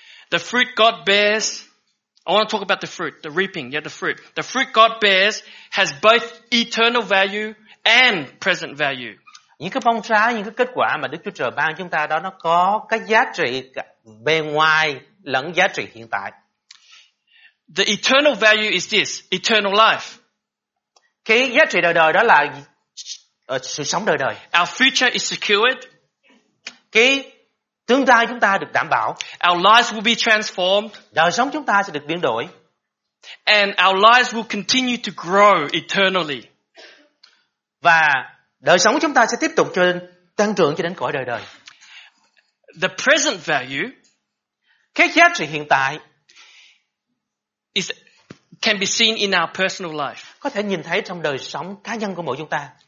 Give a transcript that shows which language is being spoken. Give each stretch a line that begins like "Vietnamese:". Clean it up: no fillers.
English: The fruit God bears, I want to talk about the fruit, the reaping, yeah, the fruit. The fruit God bears has both eternal value and present value.
Vietnamese: Những cái phong trái, những cái kết quả mà Đức Chúa Trời ban chúng ta đó, nó có cái giá trị bề ngoài lẫn giá trị hiện tại.
English: The eternal value is this, eternal life.
Vietnamese: Cái giá trị đời đời đó là sự sống đời đời.
English: Our future is secured.
Vietnamese: Cái tương lai chúng ta được đảm bảo.
English: Our lives will be transformed.
Vietnamese: Đời sống chúng ta sẽ được biến đổi.
English: And our lives will continue to grow eternally.
Vietnamese: Và đời sống chúng ta sẽ tiếp tục cho tăng trưởng cho đến cõi đời đời.
English: The present value,
Vietnamese: cái giá trị hiện tại,
English: can be seen in our personal life.
Vietnamese: Có thể nhìn thấy trong đời sống cá nhân của mỗi chúng ta.